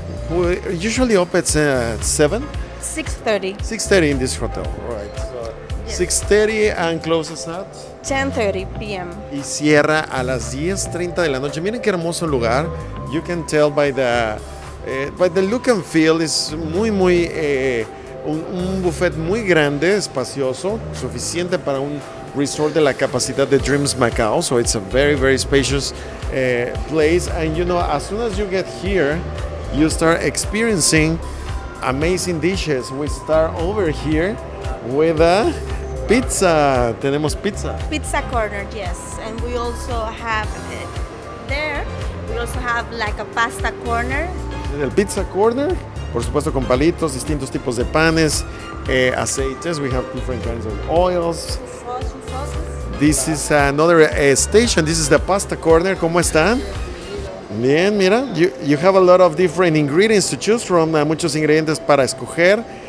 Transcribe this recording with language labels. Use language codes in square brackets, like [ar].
[en] We usually open at 7? 6:30 in this hotel, right. 6:30 and closes at? 10:30 p.m. [es] Y cierra a las 10:30 de la noche. Miren qué hermoso lugar. [en] You can tell by the look and feel. [es] Es muy, muy, un buffet muy grande, espacioso, suficiente para un resort de la capacidad de Dreams Macao. [en] So it's a very, very spacious place. And you know, as soon as you get here, you start experiencing amazing dishes. We start over here with a pizza. [es] Tenemos pizza. [en] Pizza corner, yes. And we also have there, we also have like a pasta corner. [es] En el pizza corner, por supuesto con palitos, distintos tipos de panes, aceites. [en] We have different kinds of oils. Sauces. This is another station. This is the pasta corner. [es] ¿Cómo están? Bien, mira, [en] you have a lot of different ingredients to choose from, [es] muchos ingredientes para escoger.